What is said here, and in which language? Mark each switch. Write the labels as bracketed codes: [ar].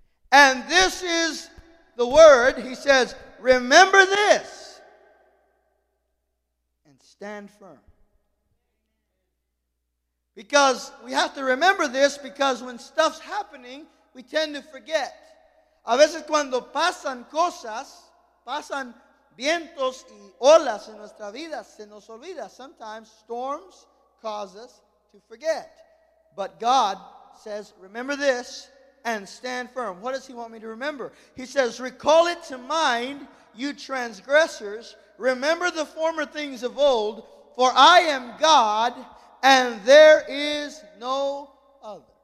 [en] And this is the word. He says, remember this and stand firm. Because we have to remember this, because when stuff's happening, we tend to forget. [es] A veces cuando pasan cosas, pasan vientos y olas en nuestra vida, se nos olvida. [en] Sometimes storms cause us to forget. But God says, remember this and stand firm. What does he want me to remember? He says, recall it to mind, you transgressors. Remember the former things of old, for I am God, and there is no other.